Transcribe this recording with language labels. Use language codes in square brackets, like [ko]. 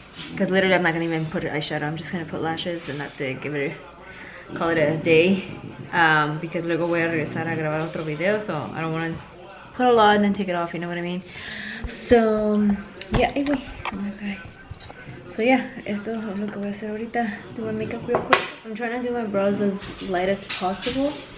[en] Because literally I'm not gonna even put eyeshadow. I'm just gonna put lashes and that's it. Give it a, call it a day. Because [es] luego voy a regresar a grabar otro video. [en] So I don't wanna put a lot and then take it off. You know what I mean? So yeah, anyway. Okay. [es] So yeah, esto es lo que voy a hacer ahorita. [en] Do my makeup real quick. I'm trying to do my brows as light as possible.